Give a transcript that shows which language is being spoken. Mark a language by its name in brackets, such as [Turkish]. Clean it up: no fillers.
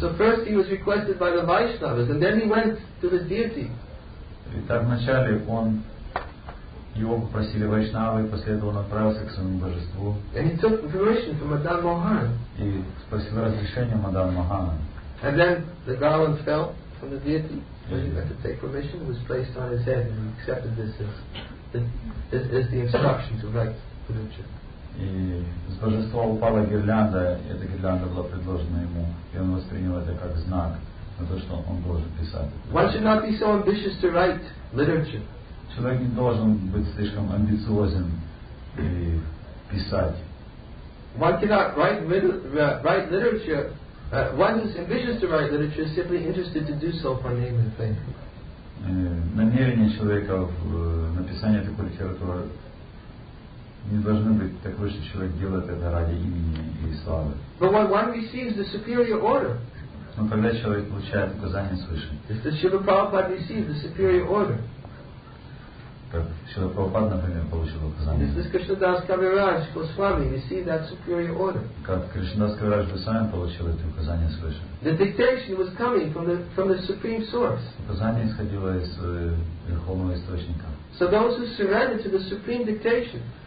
[English] So first he was requested by the Vaishnavas, and then he went to the deity. [Russian] Итак, вначале он, его попросили вайшнавы, и после этого он отправился к своему божеству. [English] And he took permission from Madan Mohan. [Russian] И спросил разрешение Мадан Мохана. [English] And then the garland fell from the deity. So he had to take permission. It was placed on his head, and he accepted this as the instruction to write the literature. [Russian] И с божества упала гирлянда, и эта гирлянда была предложена ему, и он воспринял это как знак на то, что он должен писать. [English] One should not be so ambitious to write literature. [Russian] Человек не должен быть слишком амбициозен и писать. [English] One cannot write literature. One who's ambitious to write literature is simply interested to do so for name and fame. [Russian] Намерение человека в написании такой литературы не должны быть такой, что человек делает это ради имени и славы. [English] But when one receives the superior order, [Russian] но когда человек получает указание свыше, [English] if the Śrīla Prabhupāda received the superior order, [Russian] как Śrīla Prabhupāda, например, получил указание, [English] if the Krishna Das Kaviraj Goswami received that superior order, [Russian] как Krishna Das Kaviraj Goswami получил это указание свыше, [English] the dictation was coming from the supreme source. [Russian] Указание исходило из верховного источника. [English] So those who surrender to the supreme dictation.